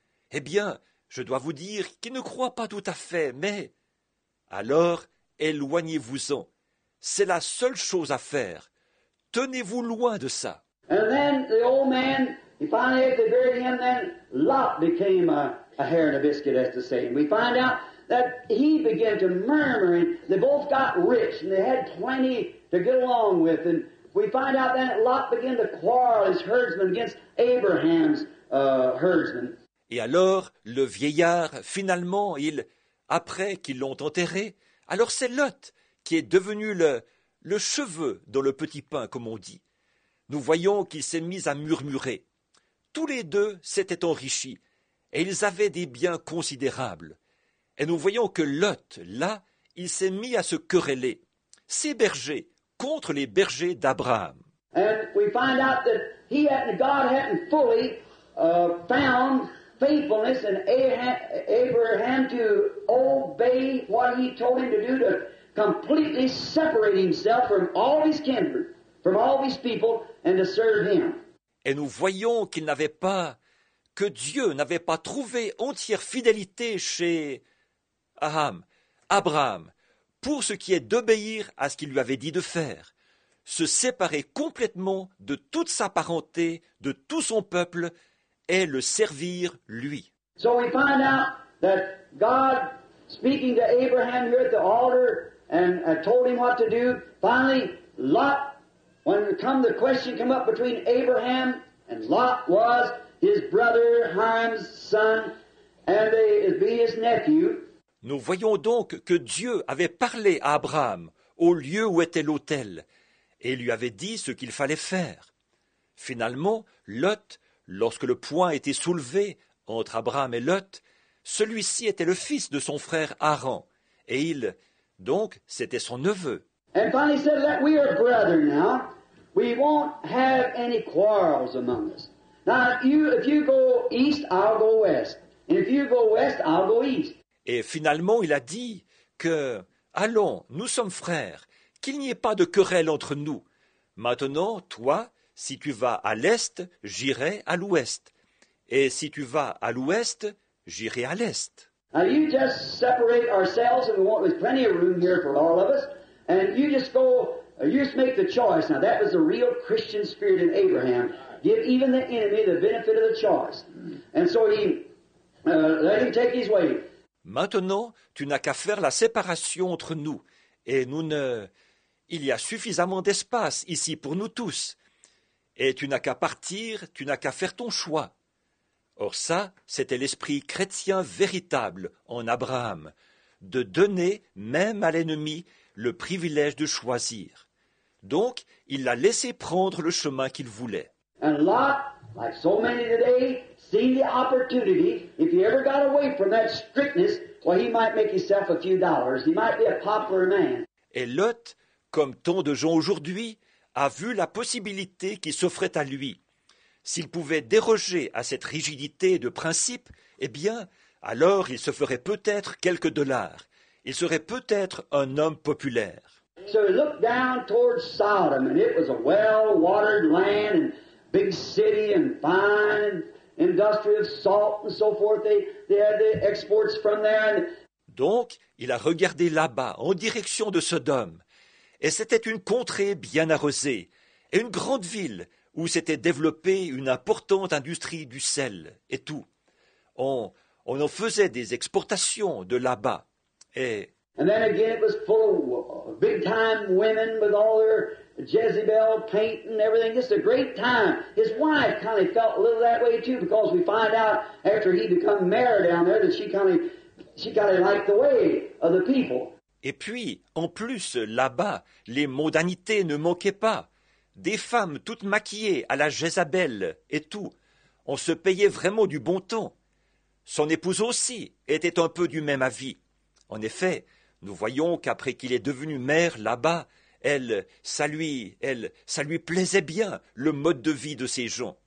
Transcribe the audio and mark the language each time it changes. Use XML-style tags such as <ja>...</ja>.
<fr>Eh bien, je dois vous dire qu'il ne croit pas tout à fait, mais... Alors, éloignez-vous-en. C'est la seule chose à faire. Tenez-vous loin de ça.</fr> <en>And then the old man, he finally at the very end, then Lot became a hare and a biscuit, as to say. We find out that he began to murmur, and they both got rich, and they had plenty to get along with. And we find out that Lot began to quarrel his herdsmen against Abraham's herdsmen.</en> <fr>Et alors, le vieillard, finalement, il, après qu'ils l'ont enterré, alors c'est Lot qui est devenu le cheveu dans le petit pain, comme on dit. Nous voyons qu'il s'est mis à murmurer. Tous les deux s'étaient enrichis, et ils avaient des biens considérables. Et nous voyons que Lot, là, il s'est mis à se quereller, ses bergers, contre les bergers d'Abraham.</fr> <en>And we find out that God hadn't fully found faithfulness in Abraham to obey what he told him to do, to completely separate himself from all his kindred, from all his people, and to serve him.</en> <fr>Et nous voyons qu'il n'avait pas, que Dieu n'avait pas trouvé entière fidélité chez Abraham, pour ce qui est d'obéir à ce qu'il lui avait dit de faire, se séparer complètement de toute sa parenté, de tout son peuple, et le servir lui.</fr> <en>So we find out that God, speaking to Abraham here at the altar, and told him what to do, finally, Lot, when the question came up between Abraham and Lot, was his brother, Haran's son, and they be his nephew.</en> <fr>Nous voyons donc que Dieu avait parlé à Abraham au lieu où était l'autel et lui avait dit ce qu'il fallait faire. Finalement, Lot, lorsque le point était soulevé entre Abraham et Lot, celui-ci était le fils de son frère Haran, et il, donc, c'était son neveu.</fr> <en>And finally said, that we are brothers now. We won't have any quarrels among us. Now, if you go east, I'll go west. And if you go west, I'll go east.</en> <fr>Et finalement, il a dit que, allons, nous sommes frères, qu'il n'y ait pas de querelle entre nous. Maintenant, toi, si tu vas à l'est, j'irai à l'ouest. Et si tu vas à l'ouest, j'irai à l'est.</fr> <en>Now you just separate ourselves, and there's plenty of room here for all of us. And you just go, you just make the choice. Now that was the real Christian spirit in Abraham. Give even the enemy the benefit of the choice. And so he let him take his way.</en> <fr>Maintenant, tu n'as qu'à faire la séparation entre nous, et nous ne... Il y a suffisamment d'espace ici pour nous tous, et tu n'as qu'à partir, tu n'as qu'à faire ton choix. Or ça, c'était l'esprit chrétien véritable en Abraham, de donner, même à l'ennemi, le privilège de choisir. Donc, il l'a laissé prendre le chemin qu'il voulait.</fr> <en>And Lot, like so many today, seen the opportunity, if he ever got away from that strictness, well, he might make himself a few dollars. He might be a popular man.</en> <fr>Et Lot, comme tant de gens aujourd'hui, a vu la possibilité qui s'offrait à lui. S'il pouvait déroger à cette rigidité de principe, eh bien, alors il se ferait peut-être quelques dollars. Il serait peut-être un homme populaire.</fr> <en>So he looked down towards Sodom, and it was a well-watered land, and big city, and fine, industry of salt and so forth. They had the exports from there.</en> <fr>Donc, il a regardé là-bas, en direction de Sodome, et c'était une contrée bien arrosée et une grande ville où s'était développée une importante industrie du sel et tout. On en faisait des exportations de là-bas. Et</fr> <en>then again it was full of big time women with all their Jezebel paint and everything. Just a great time. His wife kind of felt a little that way too, because we find out after he became mayor down there that she kind of liked the way of the people.</en> <fr>Et puis, en plus, là-bas, les mondanités ne manquaient pas. Des femmes toutes maquillées à la Jézabel et tout. On se payait vraiment du bon temps. Son épouse aussi était un peu du même avis. En effet, nous voyons qu'après qu'il est devenu maire là-bas, ça lui plaisait bien, le mode de vie de ces gens.</fr>